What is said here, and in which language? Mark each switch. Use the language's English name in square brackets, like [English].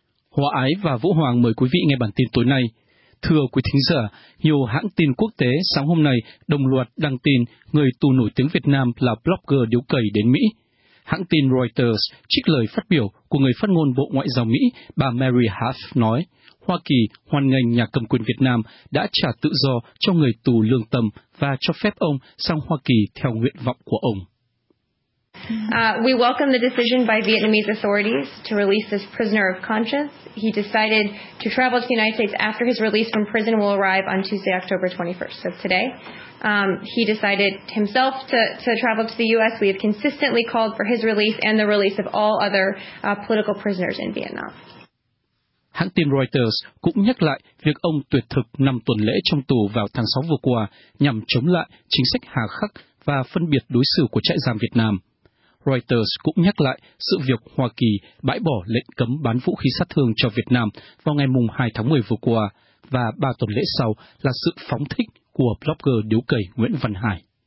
[Vietnamese] Hòa Ái và Vũ Hoàng mời quý vị nghe bản tin tối nay. Thưa quý thính giả, nhiều hãng tin quốc tế sáng hôm nay đồng loạt đăng tin người tù nổi tiếng Việt Nam là blogger điếu cày đến Mỹ. Hãng tin Reuters trích lời phát biểu của người phát ngôn Bộ Ngoại giao Mỹ, bà Mary Hart nói, Hoa Kỳ hoan nghênh nhà cầm quyền Việt Nam đã trả tự do cho người tù lương tâm và cho phép ông sang Hoa Kỳ theo nguyện vọng của ông. [English] We welcome the decision by Vietnamese authorities to release this prisoner of conscience. He decided to travel to the United States after his release from prison will arrive on Tuesday, October 21st, so today. He decided himself to travel to the U.S. We have consistently called for his release and the release of all other political prisoners in Vietnam. [Vietnamese] Hãng tin Reuters cũng nhắc lại việc ông tuyệt thực 5 tuần lễ trong tù vào tháng 6 vừa qua nhằm chống lại chính sách hà khắc và phân biệt đối xử của trại giam Việt Nam. Reuters cũng nhắc lại sự việc Hoa Kỳ bãi bỏ lệnh cấm bán vũ khí sát thương cho Việt Nam vào ngày 2 tháng 10 vừa qua, và 3 tuần lễ sau là sự phóng thích của blogger điếu cày Nguyễn Văn Hải.